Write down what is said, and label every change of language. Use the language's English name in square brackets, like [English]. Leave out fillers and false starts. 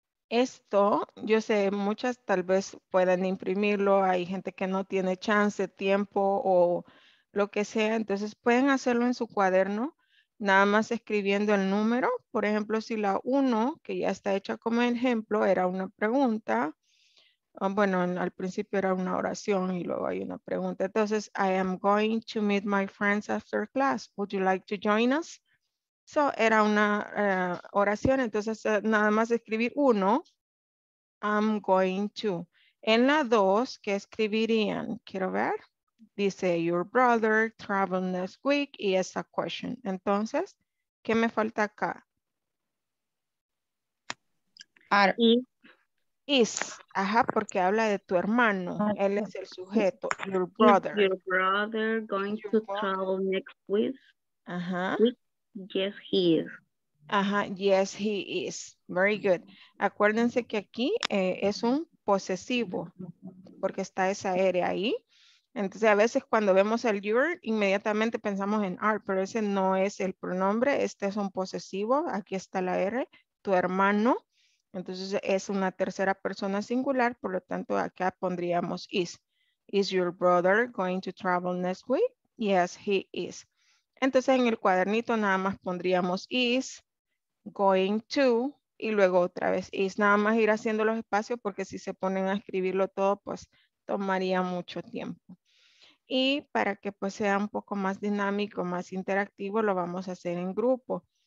[Spanish] Esto, yo sé, muchas tal vez puedan imprimirlo, hay gente que no tiene chance, tiempo o lo que sea, entonces pueden hacerlo en su cuaderno, nada más escribiendo el número. Por ejemplo, si la 1, que ya está hecha como ejemplo, era una pregunta, bueno, al principio era una oración y luego hay una pregunta. Entonces, [English] I am going to meet my friends after class, would you like to join us? [Spanish] So, era una oración, entonces nada más escribir uno, [English] I'm going to. [Spanish] En la dos, ¿qué escribirían? Quiero ver. [English] Dice, your brother travel next week, [Spanish] y es [English] a question. [Spanish] Entonces, ¿qué me falta acá? Is, ajá, porque habla de tu hermano, él es el sujeto, [English] your brother. Your brother going to travel next week. [Spanish] Ajá. [English] Yes, he is. Ajá, yes, he is. Very good. [Spanish] Acuérdense que aquí es un posesivo, porque está esa R ahí. Entonces, a veces cuando vemos el your, inmediatamente pensamos en are, pero ese no es el pronombre. Este es un posesivo. Aquí está la R. tu hermano. Entonces es una tercera persona singular, por lo tanto acá pondríamos is. [English] Is your brother going to travel next week? Yes, he is. [Spanish] Entonces en el cuadernito nada más pondríamos is, [English] going to, [Spanish] y luego otra vez is. Nada más ir haciendo los espacios porque si se ponen a escribirlo todo, pues tomaría mucho tiempo. Y para que pues sea un poco más dinámico, más interactivo, lo vamos a hacer en grupo.